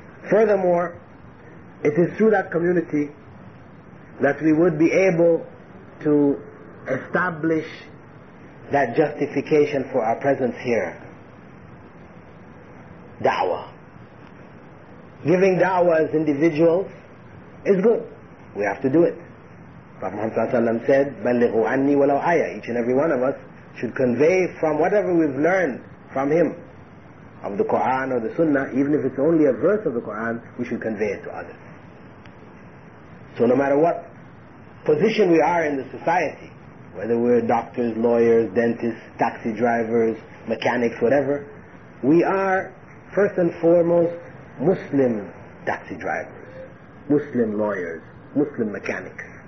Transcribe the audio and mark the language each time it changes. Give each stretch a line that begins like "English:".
English: Furthermore, it is through that community that we would be able to establish that justification for our presence here. Da'wah. Giving da'wah as individuals is good. We have to do it. Prophet Muhammad said,
Arabic: بَلِّغُوا عَنِّي وَلَوْ آيَةً.
English: Each and every one of us should convey from whatever we've learned from him, of the Qur'an or the Sunnah, even if it's only a verse of the Qur'an, we should convey it to others. So no matter what position we are in the society, whether we're doctors, lawyers, dentists, taxi drivers, mechanics, whatever, we are first and foremost Muslim taxi drivers, Muslim lawyers, Muslim mechanics.